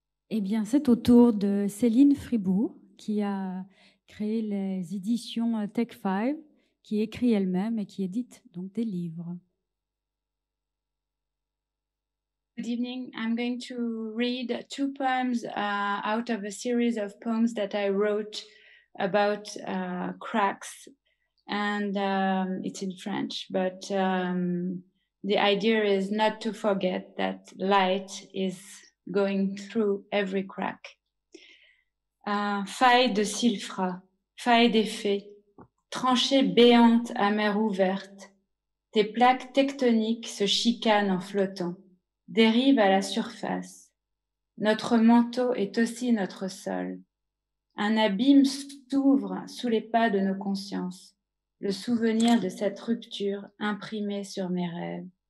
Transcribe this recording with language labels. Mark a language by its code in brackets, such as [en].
[fr] Eh bien, c'est au tour de Céline Fribourg, qui a créé les éditions Tech Five, qui écrit elle-même et qui édite donc des livres. [en] Good evening. I'm going to read two poems out of a series of poems that I wrote about cracks. And it's in French, but the idea is not to forget that light is going through every crack. [fr] Faille de Silfra, faille des fées, tranchée béante à mer ouverte, tes plaques tectoniques se chicanent en flottant, dérivent à la surface. Notre manteau est aussi notre sol. Un abîme s'ouvre sous les pas de nos consciences, le souvenir de cette rupture imprimée sur mes rêves.